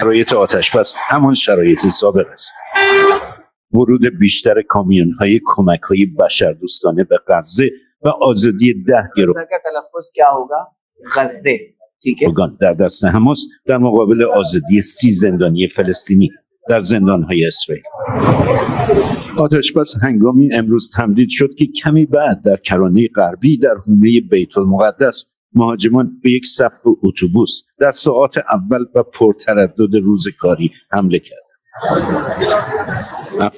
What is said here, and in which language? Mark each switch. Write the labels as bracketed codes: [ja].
[fa] شرایط آتش بس همون شرایط سابق است ورود بیشتر کامیون های کمک های بشر دوستانه به غزه و آزادی 10 گروگان [ur] کا تلفظ کیا ہوگا غزه ٹھیک ہے [fa] در دست حماس در مقابل آزادی 30 زندانی فلسطینی در زندان های اسرائیل آتش بس هنگامی امروز تمدید شد که کمی بعد در کرانه غربی در حومه بیت المقدس مهاجمان به یک صف اتوبوس در ساعات اول و پرتردد روز کاری حمله کردند.